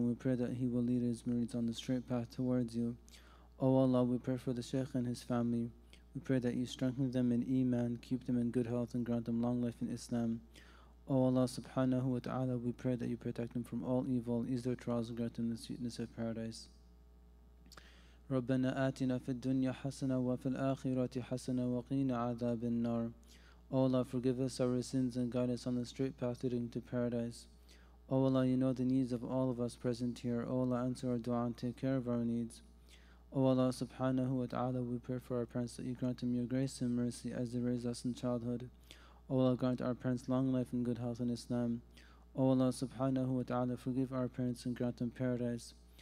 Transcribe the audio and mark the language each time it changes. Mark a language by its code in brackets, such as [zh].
[en] We pray that he will lead his murids on the straight path towards you. O Allah, we pray for the Shaykh and his family. We pray that you strengthen them in Iman, keep them in good health, and grant them long life in Islam. O Allah subhanahu wa ta'ala, we pray that you protect them from all evil, ease their trials, and grant them the sweetness of paradise. [ar] ربنا آتنا في الدنيا حسنة وفي الآخرة حسنة وقنا عذاب النار. [en] O Allah, forgive us our sins and guide us on the straight path leading to paradise. O Allah, you know the needs of all of us present here. O Allah, answer our dua and take care of our needs. O Allah subhanahu wa ta'ala, we pray for our parents that you grant them your grace and mercy as they raise us in childhood. O Allah, grant our parents long life and good health in Islam. O Allah subhanahu wa ta'ala, forgive our parents and grant them paradise.